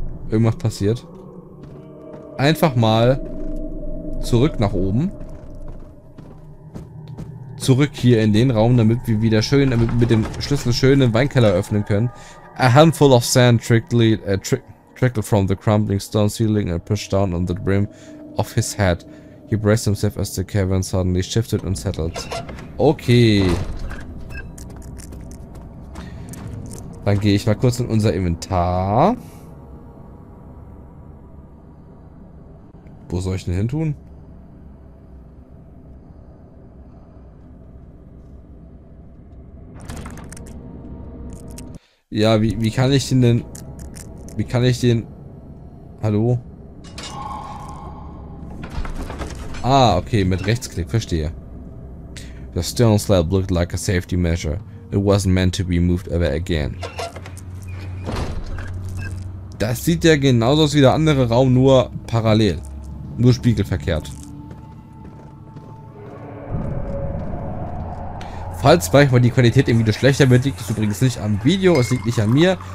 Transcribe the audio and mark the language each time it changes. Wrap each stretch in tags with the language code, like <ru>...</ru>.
<de>Irgendwas passiert. Einfach mal zurück nach oben. Zurück hier in den Raum, damit wir wieder schön mit dem Schlüssel schön den Weinkeller öffnen können.</de> <en>A handful of sand trickled from the crumbling stone ceiling and pushed down on the brim of his hat. He braced himself as the cavern suddenly shifted and settled. Okay.</en> <de>Dann gehe ich mal kurz in unser Inventar. Wo soll ich denn hin tun? Ja, wie kann ich den denn. Wie kann ich den. Hallo? Ah, okay, mit Rechtsklick, verstehe.</de> <en>The stone slab looked like a safety measure. It wasn't meant to be moved ever again.</en> <de>Das sieht ja genauso aus wie der andere Raum, nur parallel. Nur spiegelverkehrt. Falls manchmal die Qualität im Video schlechter wird, liegt es übrigens nicht am Video, es liegt nicht an mir.</de>